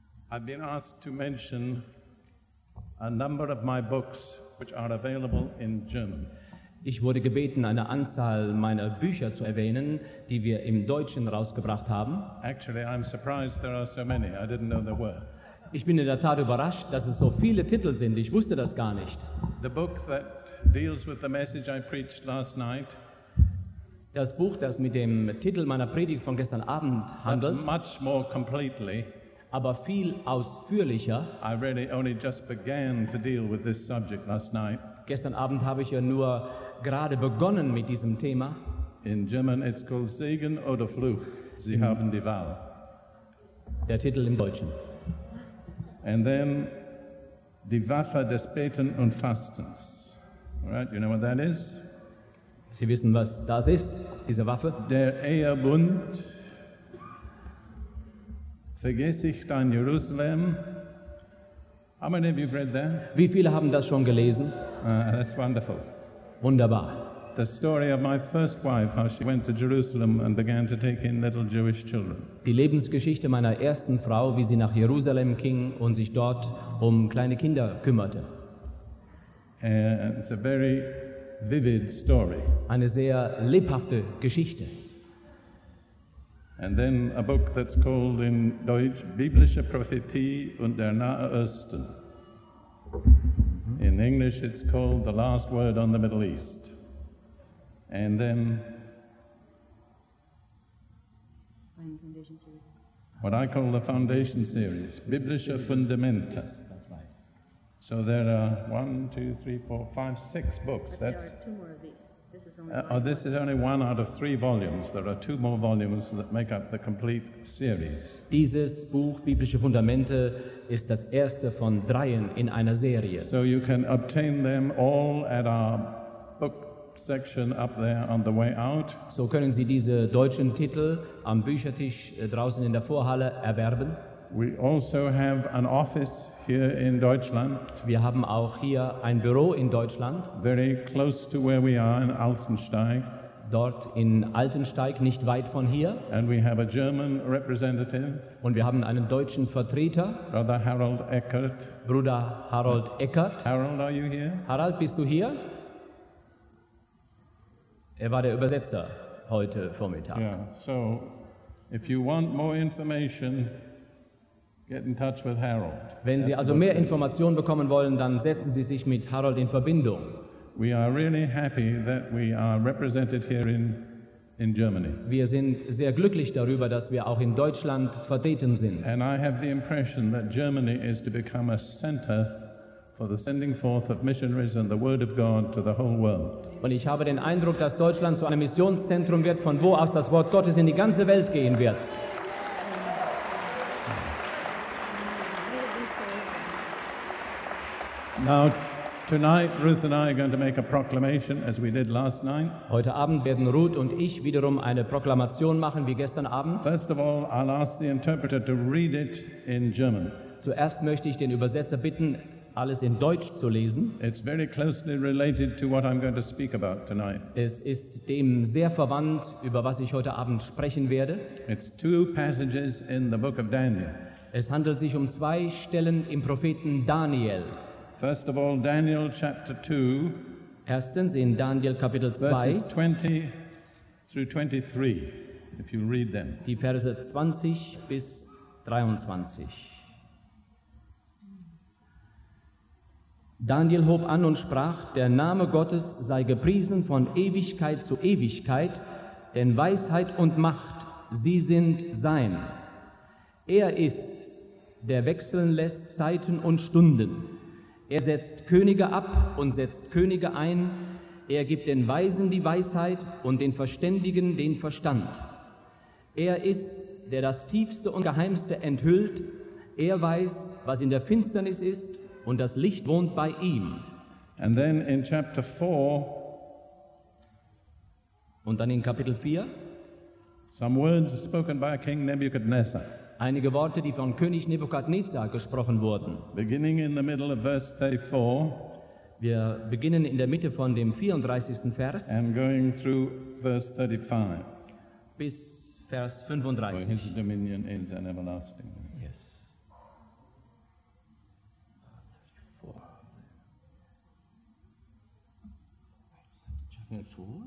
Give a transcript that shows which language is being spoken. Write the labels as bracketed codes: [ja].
[en] I've been asked to mention a number of my books which are available in German. [de] Ich wurde gebeten, eine Anzahl meiner Bücher zu erwähnen, die wir im Deutschen rausgebracht haben. [en] Actually, I'm surprised there are so many. I didn't know there were. [de] Ich bin in der Tat überrascht, dass es so viele Titel sind. Ich wusste das gar nicht. [en] The book that deals with the message I preached last night. [de] Das Buch, das mit dem Titel meiner Predigt von gestern Abend handelt. [en] But much more completely. [de] Aber viel ausführlicher. [en] I really only just began to deal with this subject last night. [de] Gestern Abend habe ich ja nur gerade begonnen mit diesem Thema. [en] In German it's called Segen oder Fluch. [de] Sie haben die Wahl. Der Titel im Deutschen. [en] And then Die Waffe des Beten und Fastens. All right, you know what that is? [de] Sie wissen, was das ist, diese Waffe? Der Ehebund. Vergiss ich dein Jerusalem. [en] How many of you have read that? [de] Wie viele haben das schon gelesen? [en] That's wonderful. [de] Wunderbar. [en] The story of my first wife, how she went to Jerusalem and began to take in little Jewish children. [de] Die Lebensgeschichte meiner ersten Frau, wie sie nach Jerusalem ging und sich dort um kleine Kinder kümmerte. [en] And it's a very vivid story. [de] Eine sehr lebhafte Geschichte. [en] And then a book that's called in Deutsch Biblische Prophetie und der Nahe Osten. In English it's called The Last Word on the Middle East. And then what I call the Foundation Series, Biblische Fundamente. So there are 1, 2, 3, 4, 5, 6 books. That's two more of these. This is only one out of 3 volumes. There are 2 more volumes that make up the complete series. [de] Dieses Buch Biblische Fundamente ist das erste von 3 in einer Serie. [en] So you can obtain them all at our book section up there on the way out. [de] So können Sie diese deutschen Titel am Büchertisch draußen in der Vorhalle erwerben. [en] We also have an office here in Deutschland. [de] Wir haben auch hier ein Büro in Deutschland. [en] Very close to where we are in Altensteig. [de] Dort in Altensteig, nicht weit von hier. [en] And we have a German representative. [de] Und wir haben einen deutschen Vertreter. [en] Brother Harold Eckert. [de] Bruder Harold Eckert. [en] Harold, are you here? [de] Harald, bist du hier? Er war der Übersetzer heute Vormittag. [en] Yeah. So, if you want more information, get in touch with Harold. [de] Wenn Sie also mehr Informationen bekommen wollen, dann setzen Sie sich mit Harold in Verbindung. [en] We are really happy that we are represented here in Germany. [de] Wir sind sehr glücklich darüber, dass wir auch in Deutschland vertreten sind. [en] And I have the impression that Germany is to become a center for the sending forth of missionaries and the word of God to the whole world. [de] Und ich habe den Eindruck, dass Deutschland zu einem Missionszentrum wird, von wo aus das Wort Gottes in die ganze Welt gehen wird. [en] Now, tonight, Ruth and I are going to make a proclamation, as we did last night. [de] Heute Abend werden Ruth und ich wiederum eine Proklamation machen, wie gestern Abend. [en] First of all, I'll ask the interpreter to read it in German. [de] Zuerst möchte ich den Übersetzer bitten, alles in Deutsch zu lesen. [en] It's very closely related to what I'm going to speak about tonight. [de] Es ist dem sehr verwandt, über was ich heute Abend sprechen werde. [en] It's 2 passages in the book of Daniel. [de] Es handelt sich um 2 Stellen im Propheten Daniel. [en] First of all, Daniel chapter 2. [de] Erstens in Daniel Kapitel 2. [en] Verses 20 through 23, if you read them. [de] Die Verse 20 bis 23. Daniel hob an und sprach: Der Name Gottes sei gepriesen von Ewigkeit zu Ewigkeit, denn Weisheit und Macht, sie sind sein. Er ist's, der wechseln lässt Zeiten und Stunden. Er setzt Könige ab und setzt Könige ein. Er gibt den Weisen die Weisheit und den Verständigen den Verstand. Er ist's, der das Tiefste und Geheimste enthüllt. Er weiß, was in der Finsternis ist, und das Licht wohnt bei ihm. [en] And then in chapter 4, [de] und dann in Kapitel 4, [en] some words spoken by King Nebuchadnezzar. [de] Einige Worte, die von König Nebukadnezar gesprochen wurden. [en] Beginning in the middle of verse 34, [de] wir beginnen in der Mitte von dem 34. Vers. [en] And going through verse 35. [de] Bis Vers 35. [en] For his dominion is an everlasting. Yes. Verse 4?